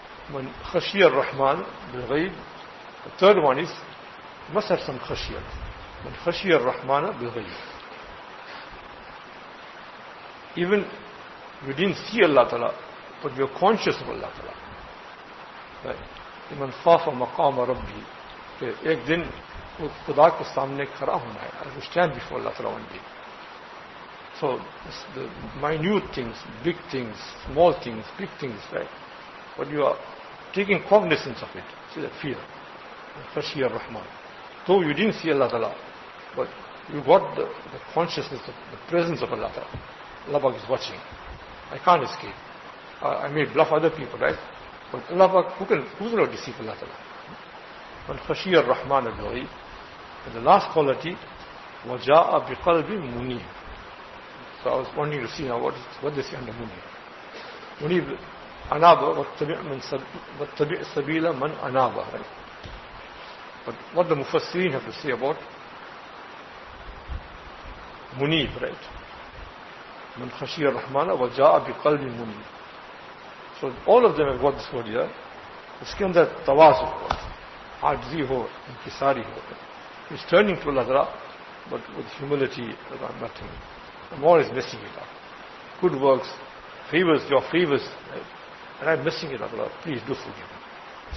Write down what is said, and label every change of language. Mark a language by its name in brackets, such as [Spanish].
[English] When Khashiyya Rahman, the Ghaib, the third one is, you must have some Khashiyya. [Arabic] من خشي الرحمن بالغيب. [English] Even you didn't see Allah Ta'ala, but you're conscious of Allah Ta'ala. [Arabic] من خاف مقام ربي. [Urdu] ایک دن خدا کے سامنے کھڑا ہونا ہے. [English] I will stand before Allah Ta'ala one day. So the minute things, big things, small things, big things, right? But you are taking cognizance of it. See that fear. [Arabic] من خشي الرحمن. [English] Though you didn't see Allah Ta'ala, but you got the consciousness of the presence of Allah. Allah Pak is watching. I can't escape. I may bluff other people, right? But Allah Pak, who's going to deceive Allah Ta'ala? When Khashiyya Rahman al-Ghayb, and the last quality, [Arabic] وَجَاءَ بِقَلْبِ مُنِيبِ. [English] So I was wanting to see now what they say under Munib. Munib, [Arabic] أَنَابَ وَاتَّبِعْ سَبِيلَ مَنْ أَنَابَ. [English] Right? But what the Mufassirin have to say about Munib, right? [Arabic] من خشي الرحمن وجاء بقلب منيب. [English] So all of them have got this word here. It's kind of tawazu, [Urdu] ajzi ho, inkisari ho. [English] He's turning to Allah Ta'ala, but with humility, I'm nothing. I'm always messing it up. Good works, favors, your favors, right? And I'm messing it up, Allah, please do forgive me.